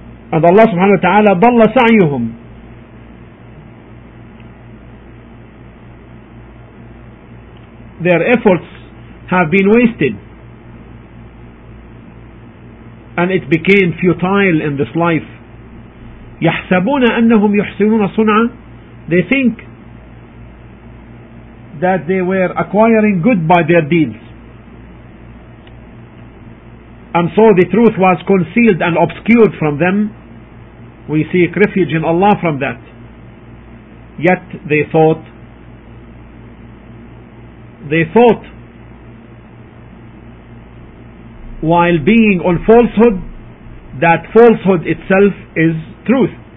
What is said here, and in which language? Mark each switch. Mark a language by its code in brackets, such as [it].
[en] And Allah subhanahu wa ta'ala, [ar] dalla sa'yuhum, [en] their efforts have been wasted, and it became futile in this life, [ar] يحسبون أنهم يحسنون صنعا. [en] They think that they were acquiring good by their deeds, and so the truth was concealed and obscured from them. We seek refuge in Allah from that. Yet they thought while being on falsehood that falsehood itself is truth.